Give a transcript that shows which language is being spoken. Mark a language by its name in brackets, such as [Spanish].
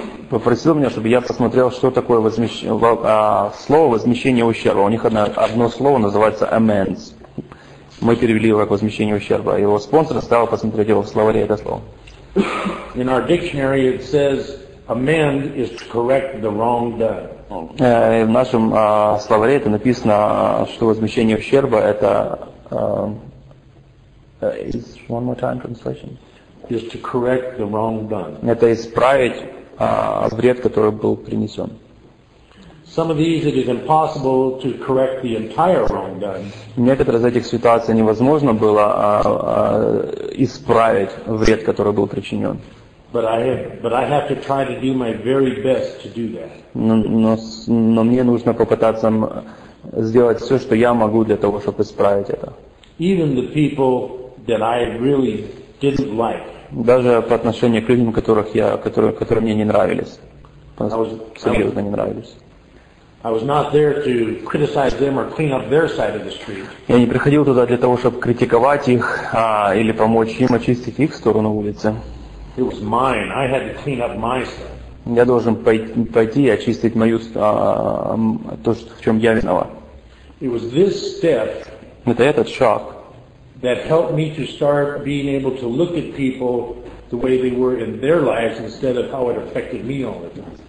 [Russian] Попросил меня, чтобы я посмотрел, что такое слово возмещение ущерба. У них одно слово называется amends. Мы перевели его как возмещение ущерба. Его спонсор стал посмотреть его в словаре это слово. [English] In our dictionary it says amend is to correct the wrong done. [Russian] В нашем словаре это написано, что возмещение ущерба это [English] is one more time translation. Is to correct the wrong done. [Russian] Это исправить вред, который был принесен. [English] Some of these it is impossible to correct the entire wrong done. [Russian] Некоторые из этих ситуаций невозможно было исправить вред, который был причинен. [English] But I have to try to do my very best to do that. [Russian] Но мне нужно попытаться сделать все, что я могу для того, чтобы исправить это. [English] Even the people that I really didn't like. [Russian] Даже по отношению к людям, которые мне не нравились. Серьезно не нравились. [English] I was not there to criticize them or clean up their side of the street. [Russian] Я не приходил туда для того, чтобы критиковать их или помочь им очистить их сторону улицы. [English] It was mine. I had to clean up my stuff. [Russian] Я должен пойти и очистить мою то, в чем я виноват. [English] It was this step. [Russian] Это этот шаг. [English] That helped me to start being able to look at people the way they were in their lives instead of how it affected me all the time.